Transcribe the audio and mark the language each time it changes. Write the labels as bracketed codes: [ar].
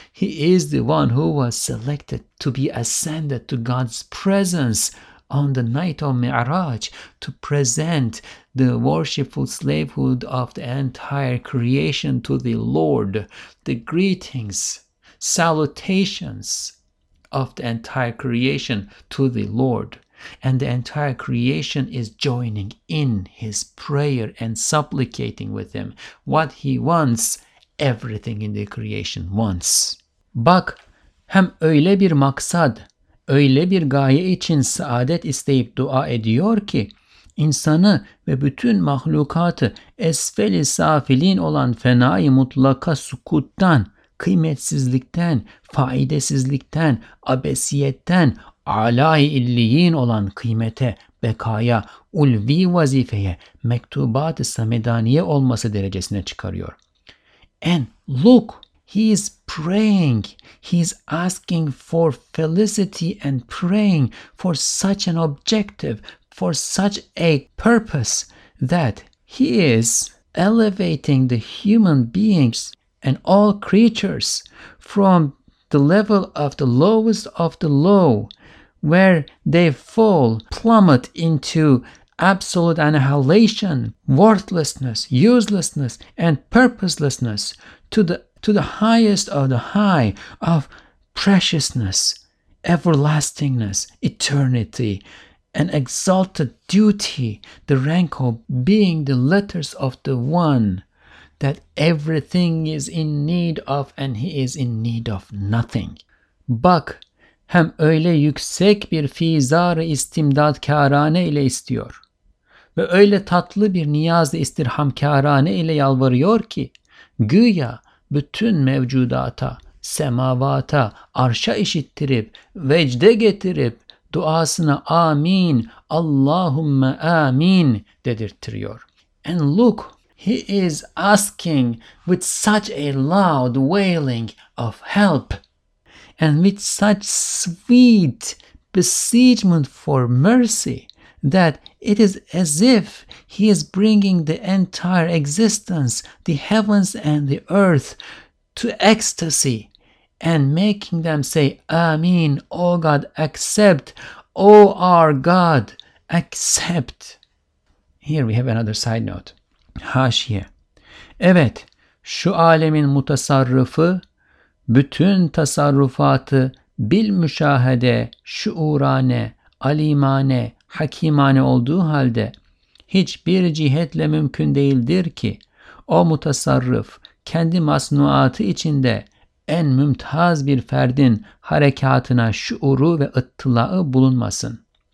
[en] He is the one who was selected to be ascended to God's presence on the night of Mi'raj to present the worshipful slavehood of the entire creation to the Lord, the greetings, salutations of the entire creation to the Lord. And the entire creation is joining in his prayer and supplicating with him. What he wants, everything in the creation wants. [tr] Bak, hem öyle bir maksad, öyle bir gaye için saadet isteyip dua ediyor ki, insanı ve bütün mahlukatı esfel-i safilin olan fenai mutlaka sukuttan, kıymetsizlikten, faidesizlikten, abesiyetten, alâ-i illiyin olan kıymete, bekaya, ulvi vazifeye, mektubat-ı samedaniye olması derecesine çıkarıyor. [en] And look, he is praying, he is asking for felicity and praying for such an objective, for such a purpose that he is elevating the human beings and all creatures from the level of the lowest of the low, where they fall, plummet into absolute annihilation, worthlessness, uselessness, and purposelessness, to the highest of the high of preciousness, everlastingness, eternity, an exalted duty, the rank of being the letters of the one, that everything is in need of and he is in need of nothing. [tr] Bak, hem öyle yüksek bir fizar-ı istimdadkârâne ile istiyor ve öyle tatlı bir niyaz-ı istirhamkârâne ile yalvarıyor ki, güya bütün mevcudata, semavata, arşa işittirip, vecde getirip, duasına amin, Allahümme amin dedirtiyor. [en] And look, He is asking with such a loud wailing of help, and with such sweet beseechment for mercy, that it is as if he is bringing the entire existence, the heavens and the earth, to ecstasy, and making them say, Amin, O God, accept, O our God, accept. Here we have another side note. [tr] Haşiye. Evet, şu alemin mutasarrıfı, bütün tasarrufatı bilmüşahede, şuurane, alimane, hakimane olduğu halde hiçbir cihetle mümkün değildir ki o mutasarrıf kendi masnuatı içinde en mümtaz bir ferdin harekatına şuuru ve ıttılağı bulunmasın.